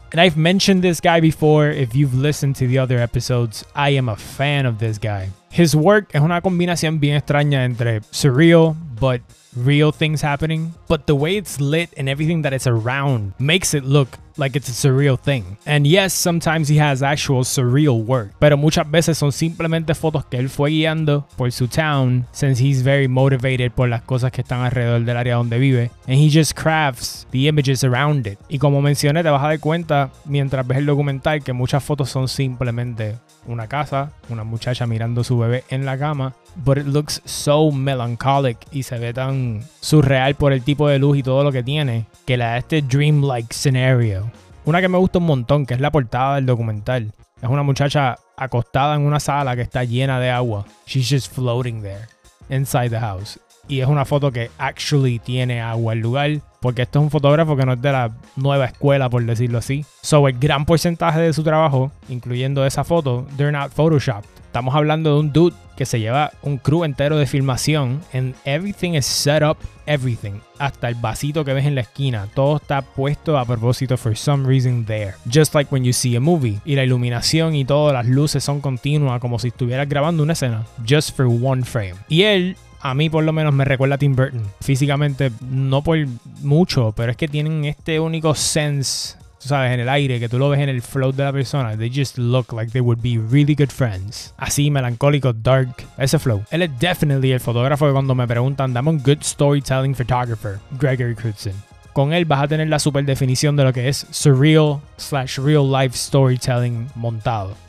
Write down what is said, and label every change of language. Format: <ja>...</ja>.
<en>And I've mentioned this guy before. If you've listened to the other episodes, I am a fan of this guy. His work is</en> <es>una combinación bien extraña entre</es> <en>surreal, but real things happening. But the way it's lit and everything that it's around makes it look like it's a surreal thing. And yes, sometimes he has actual surreal work.</en> <es>Pero muchas veces son simplemente fotos que él fue guiando por su town,</es> <en>since he's very motivated</en> <es>por las cosas que están alrededor del área donde vive.</es> <en>And he just crafts the images around it.</en> <es>Y como mencioné, te vas a dar cuenta mientras ves el documental que muchas fotos son simplemente una casa, una muchacha mirando su bebé en la cama.</es> <en>But it looks so melancholic</en> <es>y se ve tan surreal por el tipo de luz y todo lo que tiene, que le da este</es> <en>dreamlike scenario.</en> <es>Una que me gusta un montón, que es la portada del documental. Es una muchacha acostada en una sala que está llena de agua.</es> <en>She's just floating there, inside the house.</en> <es>Y es una foto que actually tiene agua el lugar, porque esto es un fotógrafo que no es de la nueva escuela, por decirlo así. So el gran porcentaje de su trabajo, incluyendo esa foto,</es> <en>they're not photoshopped.</en> <es>Estamos hablando de un dude que se lleva un crew entero de filmación,</es> <en>and everything is set up, everything.</en> <es>Hasta el vasito que ves en la esquina, todo está puesto a propósito</es> <en>for some reason there. Just like when you see a movie.</en> <es>Y la iluminación y todas las luces son continuas, como si estuvieras grabando una escena,</es> <en>just for one frame.</en> <es>Y él, a mí por lo menos, me recuerda a Tim Burton. Físicamente, no por mucho, pero es que tienen este único sense, tú sabes, en el aire, que tú lo ves en el flow de la persona.</es> <en>They just look like they would be really good friends.</en> <es>Así, melancólico, dark, ese flow. Él es definitely el fotógrafo que cuando me preguntan, dame un</es> <en>good storytelling photographer,</en> <es>Gregory Crutzen. Con él vas a tener la super definición de lo que es surreal / real life storytelling montado.</es>